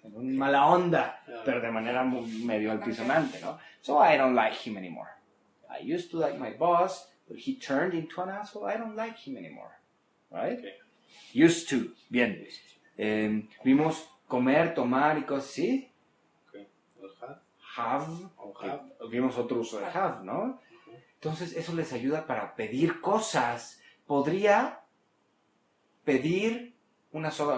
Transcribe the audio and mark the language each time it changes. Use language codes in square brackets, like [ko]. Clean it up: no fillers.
[es] En una mala onda, pero de manera medio altisonante, ¿no? [en] So I don't like him anymore. I used to like my boss, but he turned into an asshole. I don't like him anymore. Right? Okay. Used to, bien. [es] Vimos comer, tomar y cosas así. [en] Okay. Have. [es] Vimos otro uso de have, ¿no? Okay. Entonces, eso les ayuda para pedir cosas. Podría pedir una soda.